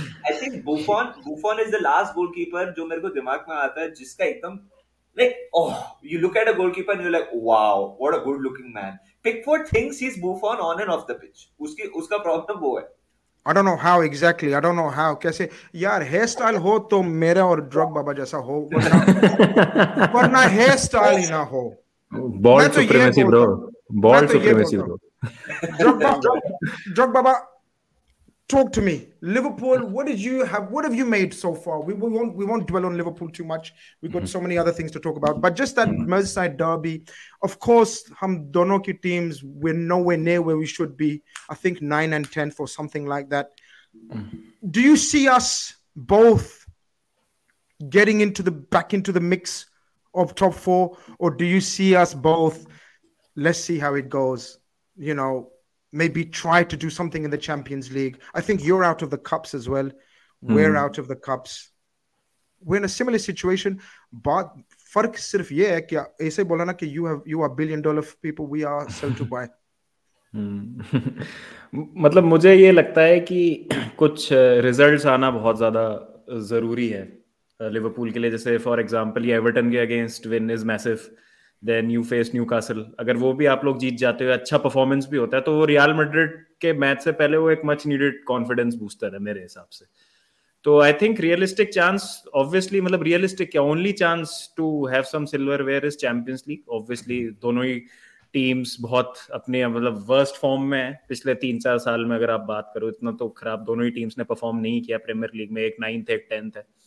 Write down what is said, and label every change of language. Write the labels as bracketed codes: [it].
[en] I think Buffon is the last goalkeeper [hi] जो मेरे को दिमाग में आता है जिसका एकदम [en] like oh you look at a goalkeeper and you're like wow what a good looking man. Pickford thinks he's Buffon on and off the pitch. [hi] उसका problem वो है. [en] I don't know how exactly. I don't know how. [hi] कैसे यार hairstyle हो तो मेरा और drug बाबा जैसा हो, वरना हेयरस्टाइल ही ना हो. [en] Ball supremacy bro, ball supremacy bro. Drogba, talk to me. Liverpool, what have you made so far? We won't dwell on Liverpool too much. We've got so many other things to talk about. But just that Merseyside derby, of course, [hi] hum dono ki teams, [en] we're nowhere near where we should be. I think 9 and 10th or something like that. Do you see us both getting into the back into the mix of top four? Or do you see us both, let's see how it goes, you know, maybe try to do something in the Champions League? I think you're out of the cups as well. We're out of the cups. We're in a similar situation. But [hi] fark sirf ye hai ki aise bola na ki [en] you are $1 billion people, we are sell to buy. [hi] मतलब मुझे ये लगता है कि कुछ results आना बहुत ज़्यादा ज़रूरी है Liverpool के लिए. जैसे for example, ये Everton के against win is massive. [en] Then you face Newcastle. [hi] अगर वो भी आप लोग जीत जाते हो, अच्छा परफॉर्मेंस भी होता है, तो वो रियल मैड्रिड के मैच से पहले वो एक [en] much needed confidence booster [hi] है मेरे हिसाब से. [en] तो I think realistic chance, obviously मतलब realistic क्या, only chance to have some silverware is Champions League. [hi] Obviously दोनों ही टीम्स बहुत अपने मतलब वर्स्ट फॉर्म में है पिछले 3-4 साल में अगर आप बात करो, इतना तो खराब दोनों ही टीम्स ने परफॉर्म नहीं किया प्रीमियर लीग में, एक 9th एक 10th है.